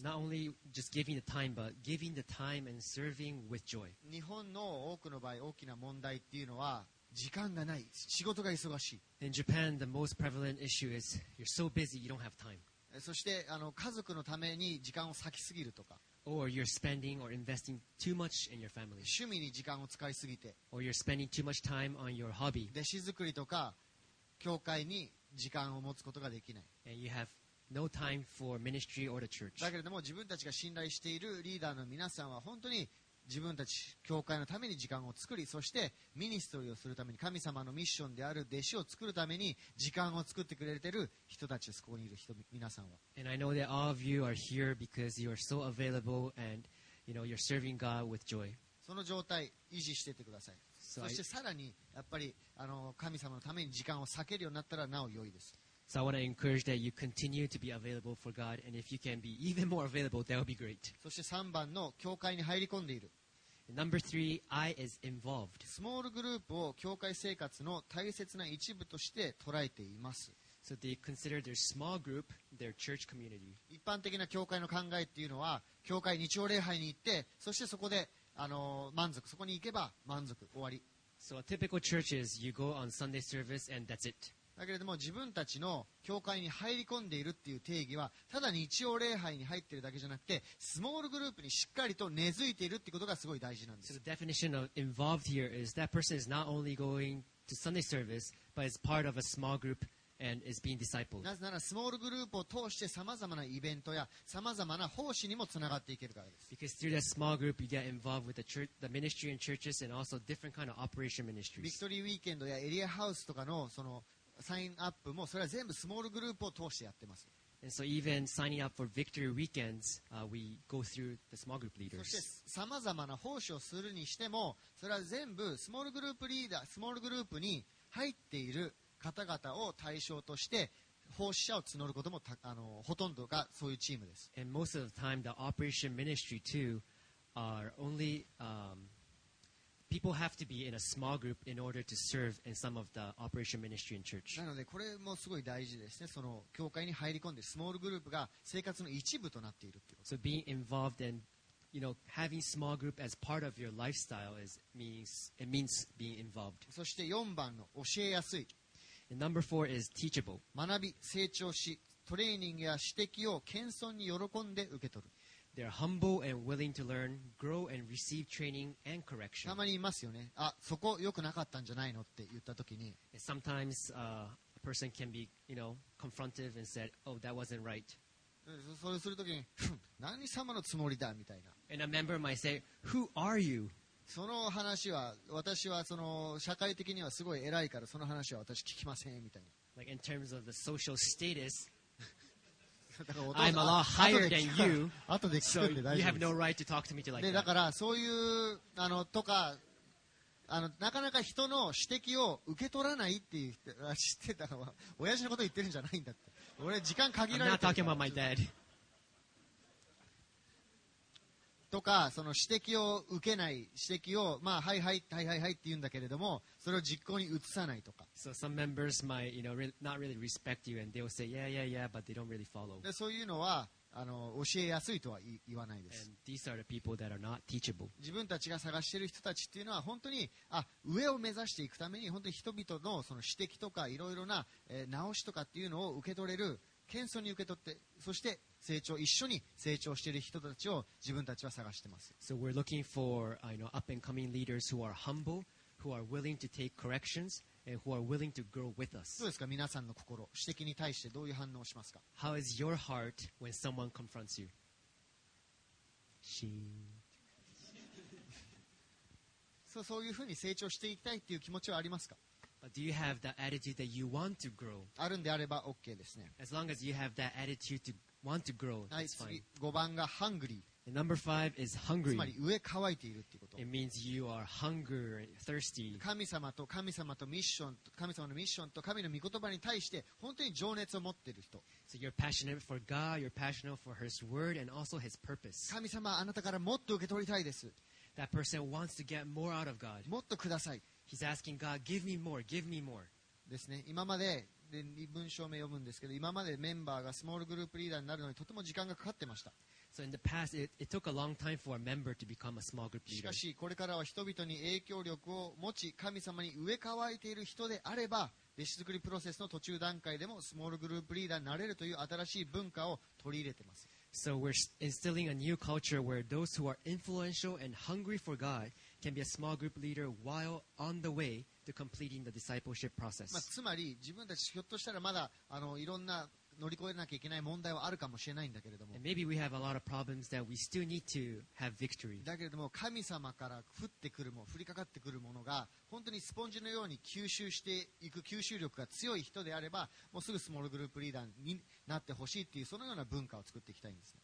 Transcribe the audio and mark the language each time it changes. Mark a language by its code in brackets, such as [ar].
[en] ね。Not only just giving the time, but giving the time and serving with joy. [ja] 日本の多くの場合、大きな問題っていうのは、時間がない、仕事が忙しい。 [en] In Japan, the most prevalent issue is you're so busy, you don't have time. [ja] そしてあの家族のために時間を割きすぎるとか [en] or you're spending or investing too much in your family. [ja] 趣味に時間を使いすぎて [en] or you're spending too much time on your hobby. [ja] 弟子作りとか教会に時間を持つことができない [en] and you have no time for ministry or the church. [ja] だけれども自分たちが信頼しているリーダーの皆さんは本当に自分たち教会のために時間を作りそしてミニストリーをするために神様のミッションである弟子を作るために時間を作ってくれている人たちですここにいる人皆さんは [en] And I know that all of you are here because you are so available and you know, you're serving God with joy [ja] その状態維持していてください、so、そしてさらにやっぱりあの神様のために時間を避けるようになったらなお良いです [en] So I want to encourage that you continue to be available for God, and if you can be even more available, that would be great. [ja] そして3番の教会に入り込んでいる。 [en] Number three, I is involved. [ja] スモールグループを教会生活の大切な一部として捉えています。 [en] So they consider their small group their church community. [ja] 一般的な教会の考えっていうのは、教会日曜礼拝に行って、そしてそこで満足、そこに行けば満足、終わり。 [en] So a typical church is you go on Sunday service and that's it. [ja] だけれども自分たちの教会に入り込んでいるっていう定義はただ日曜礼拝に入っているだけじゃなくてスモールグループにしっかりと根付いているってことがすごい大事なんです。 [en] So、the definition of involved here is that person is not only going to Sunday service but is part of a small group and is being discipled. [ja] なぜならスモールグループを通してさまざまなイベントやさまざまな奉仕にもつながっていけるからです。 [en] Because through that small group you get involved with the church, the ministry and churches and also different kind of operation ministries. [ja] ビクトリーウィーケンドやエリアハウスとかのそのサインアップもそれは全部スモールグループを通してやってます。 [en] And so even signing up for Victory Weekends, we go through the small group leaders. [ja] そしてさまざまな奉仕をするにしても、それは全部スモールグループリーダー、スモールグループに入っている方々を対象として奉仕者を募ることもほとんどがそういうチームです。 [en] And most of the time, the operation ministry too are only、People have to be in a small group in order to serve in some of the operation ministry in church. [ja] なのでこれもすごい大事ですね。その教会に入り込んでスモールグループが生活の一部となっているっていうこと。 [en] So being involved and you know having small group as part of your lifestyle is means it means being involved. [ja] そして4番の教えやすい。 [en] And number four is teachable. [ja] 学び、成長し、トレーニングや指摘を謙遜に喜んで受け取る。 [en] They're humble and willing to learn, grow and receive training and correction. [ja] たまにいますよね。あ、そこ良くなかったんじゃないのって言ったときに。 [en] Sometimes, a person can be, you know, confrontive and said, oh, that wasn't right. [ja] それするときに、何様のつもりだみたいな。 [en] And a member might say, who are you? [ja] その話は、私はその社会的にはすごい偉いから、その話は私聞きませんみたいな。 [en] Like in terms of the social status,I'm a lot higher than you. So you have no right to talk to me like that. [ja] で、だからそういうあのとかあのなかなか人の指摘を受け取らないっていう人は知ってたから親父のこと言ってるんじゃないんだって。俺時間限られてるから。 [en] I'm not talking about my dad. [ja] とかその指摘を受けない指摘をまあはいはいはいはいはいって言うんだけれどもそれを実行に移さないとか。 [en] So some members might you know not really respect you and they will say yeah yeah yeah but they don't really follow. [ja] でそういうのはあの教えやすいとは言わないです。 [en] And these are the people that are not teachable. [ja] 自分たちが探している人たちっていうのは本当にあ上を目指していくために本当に人々のその指摘とかいろいろな、直しとかっていうのを受け取れる。謙遜に受け取って、そして成長、一緒に成長している人たちを自分たちは探しています。 [en] So we're looking for, you know, up and coming leaders who are humble, who are willing to take corrections, and who are willing to grow with us. [ja] どうですか、皆さんの心、指摘に対してどういう反応をしますか [en] ？How is your heart when someone confronts you? [ja] シーン。そういうふうに成長していきたいっていう気持ちはありますか？ [en] But do you have the attitude that you want to grow? [ja] あるんであれば OK ですね。 [en] As long as you have that attitude to want to grow, that's fine. [ja] 5番が hungry。 [en] And number five is hungry. [ja] つまり上乾いているってこと。 [en] It means you are hungry, thirsty. [ja] 神様とミッションと神様のミッションと神の御言葉に対して本当に情熱を持っている人。 [en] So you're passionate for God, you're passionate for His word and also His purpose. [ja] 神様あなたからもっと受け取りたいです。 [en] That person wants to get more out of God. [ja] もっとください。 [en] He's asking God, give me more, give me more. [ja] ですね。今まで文章目読むんですけど、今までメンバーがスモールグループリーダーになるのにとても時間がかかってました。しかしこれからは人々に影響力を持ち、神様に植え替えている人であれば、弟子作りプロセスの途中段階でもスモールグループリーダーになれるという新しい文化を取り入れています。 [en] So we're instilling a new culture where those who are influential and hungry for God can be a small group leader while on the way to completing the discipleship process. [ja] まあ、つまり自分たちひょっとしたらまだいろんな乗り越えなきゃいけない問題はあるかもしれないんだけれども。 [en] And maybe we have a lot of problems that we still need to have victory. [ja] だけれども神様から降ってくるも降りかかってくるものが本当にスポンジのように吸収していく吸収力が強い人であれば、もうすぐスモールグループリーダーになってほしいっていうそのような文化を作っていきたいんです。